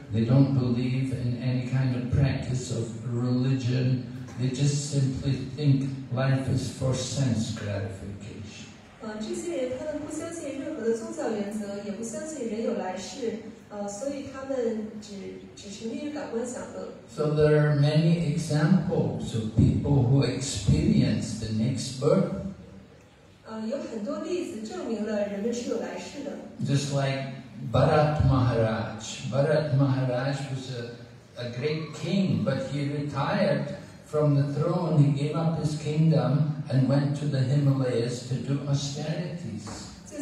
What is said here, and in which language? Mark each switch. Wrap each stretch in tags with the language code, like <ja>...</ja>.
<en>They don't believe in any kind of practice of religion. They just simply think life is for sense gratification.</en> <zh>这些人他们不相信任何的宗教原则，也不相信人有来世。</zh> <en>So there are many examples of people who experience the next birth.</en> <zh>有很多例子证明了人们是有来世的。</zh> <en>Just like Bharat Maharaj. Bharat Maharaj was a great king, but he retired from the throne. He gave up his kingdom and went to the Himalayas to do austerities.</en>